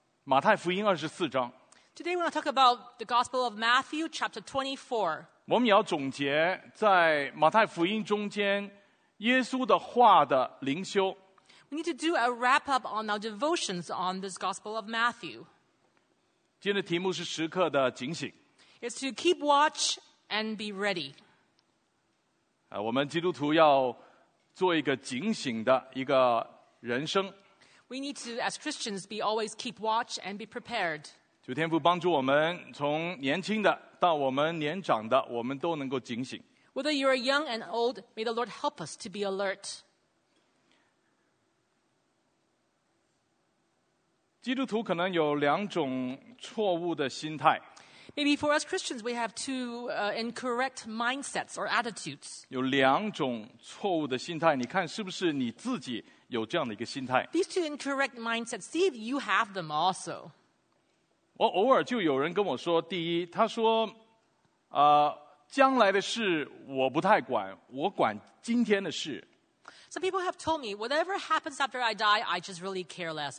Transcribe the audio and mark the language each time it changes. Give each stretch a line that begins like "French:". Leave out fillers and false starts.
English: Today we want to talk about the Gospel of Matthew, chapter 24.
Chinese: 我们也要总结在马太福音中间耶稣的话的灵修。
English: We need to do a wrap-up on our devotions on this Gospel of Matthew.
Chinese: 今天的题目是时刻的警醒。
English: It's to keep watch and be ready.
Chinese: 我们基督徒要做一个警醒的一个人生。
English: We need to, as Christians, be always keep watch and be prepared.
Chinese: 求天父帮助我们，从年轻的到我们年长的，我们都能够警醒。
English: Whether you are young and old, may the Lord help us to be alert.
Chinese: 基督徒可能有两种错误的心态。
English: Maybe for us Christians, we have two incorrect mindsets or attitudes.
Chinese: 有两种错误的心态，你看是不是你自己有这样的一个心态？
English: These two incorrect mindsets, see if you have them also.
Chinese: 我偶尔就有人跟我说，第一，他说，将来的事我不太管，我管今天的事。Some
English: people have told me, whatever happens after I die, I just really care less.